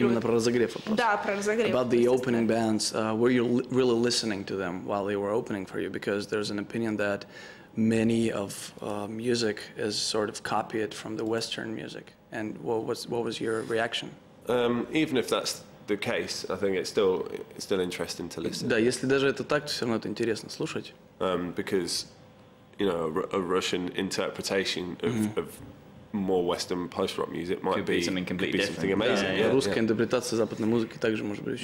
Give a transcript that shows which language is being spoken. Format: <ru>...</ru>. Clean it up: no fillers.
<ru>Именно про разогрев вопрос. Да, про разогрев.</ru> <en>About the opening bands, were you really listening to them while they were opening for you? Because there's an opinion that many of music is sort of copied from the Western music. And what was your reaction? Even if that's the case, I think it's still interesting to listen.</en> <ru>Да, если даже это так, то все равно это интересно слушать.</ru> <en>Because, you know, a Russian interpretation of, mm-hmm. of more Western post-rock music might could be something completely could be Something amazing. Yeah, yeah,</en> <ru>русская интерпретация западной музыки также может быть</ru>